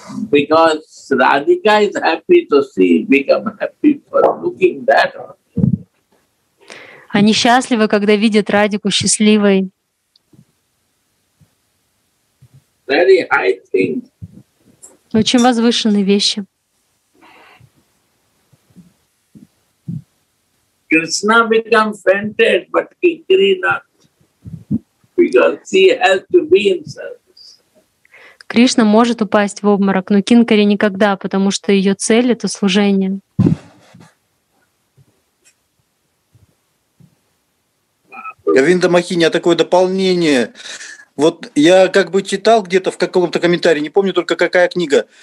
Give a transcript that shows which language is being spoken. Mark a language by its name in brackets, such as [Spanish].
[English] Because Radhika is happy to see, become happy for looking that. [Russian] Они счастливы, когда видят Радику счастливой. [English] Very high thing. [Russian] Очень возвышенные вещи. [English] Krishna become fainted, but Kinkari not, because he has to be in service. [Russian] Кришна может упасть в обморок, но Кинкари никогда, потому что ее цель — это служение. Говинда Махини, а такое дополнение. Вот я как бы читал где-то в каком-то комментарии, не помню только какая книга.